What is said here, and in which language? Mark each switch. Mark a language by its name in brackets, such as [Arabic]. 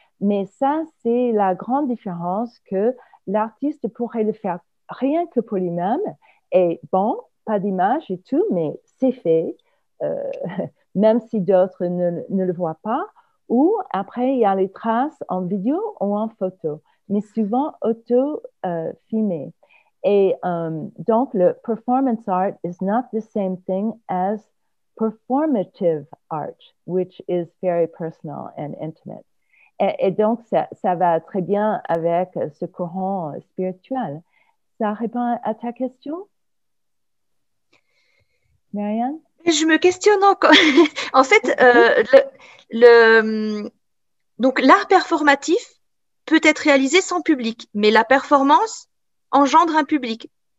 [French] Mais ça, c'est la grande différence que l'artiste pourrait le faire rien que pour lui-même. Et bon, pas d'image et tout, mais c'est fait, même si d'autres ne le voient pas. Ou après, il y a les traces en vidéo ou en photo, mais souvent auto-filmé. Et donc, le [English] performance art is not the same thing as performative art, which is very personal and intimate. [French] Et donc, ça va très bien avec ce courant spirituel. Ça répond à ta question? Marianne? Je me questionne encore. En fait, donc l'art performatif peut être réalisé sans public, mais la performance engendre un public.